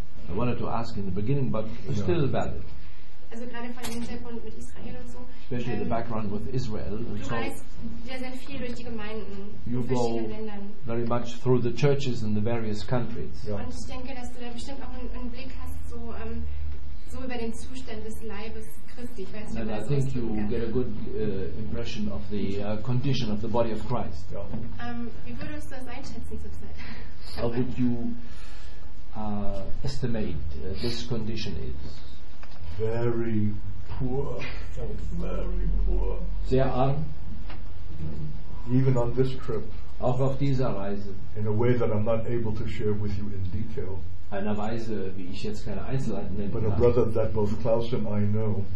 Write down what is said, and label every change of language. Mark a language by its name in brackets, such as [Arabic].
[English] I wanted to ask in the beginning, but yeah. Still valid. [German] Also gerade von dem Hintergrund mit Israel und so. [English] Especially the background with Israel. [German] Du so reist sehr viel durch die Gemeinden in verschiedenen Ländern. [English] You go very much through the churches in the various countries. Yeah. [German] Und ich denke, dass du da bestimmt auch einen Blick hast, so, so über den Zustand des Leibes. [English] And I think you get a good impression of the condition of the body of Christ. [German] Wie würdest du das einschätzen zurzeit? [English] How would you estimate this condition is? Very poor. Very poor. [German] Sehr arm. [English] Even on this trip. [German] Auch auf dieser Reise. [English] In a way that I'm not able to share with you in detail. [German] Einer Weise, wie ich jetzt keine Einzelheiten nenne. [English] But a brother that both Klaus and I know.